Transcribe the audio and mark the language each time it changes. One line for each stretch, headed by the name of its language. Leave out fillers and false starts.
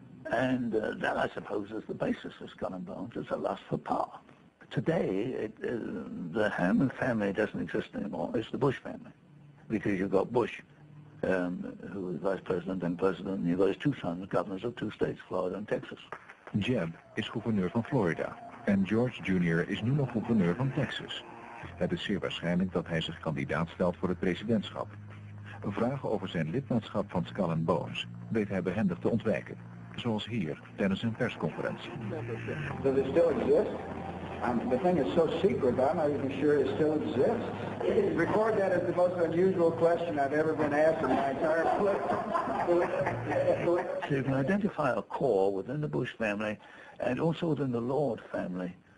English: And that, I suppose, is the basis of Skull and Bones, is a lust for power. Today, the Harriman family doesn't exist anymore. It's the Bush family, because you've got Bush, who is vice president and president, and you've got his two sons, governors of two states, Florida and Texas.
Dutch: Jeb is gouverneur van Florida. En George Jr. is nu nog gouverneur van Texas. Het is zeer waarschijnlijk dat hij zich kandidaat stelt voor het presidentschap. Vragen over zijn lidmaatschap van Skull & Bones weet hij behendig te ontwijken. Zoals hier, tijdens een persconferentie.
English: Does it still exist? The thing is so secret, I'm not even sure it still exists. Record that as the most unusual question I've ever been asked in my entire life. So you can identify a core within the Bush family and also within the Lord family.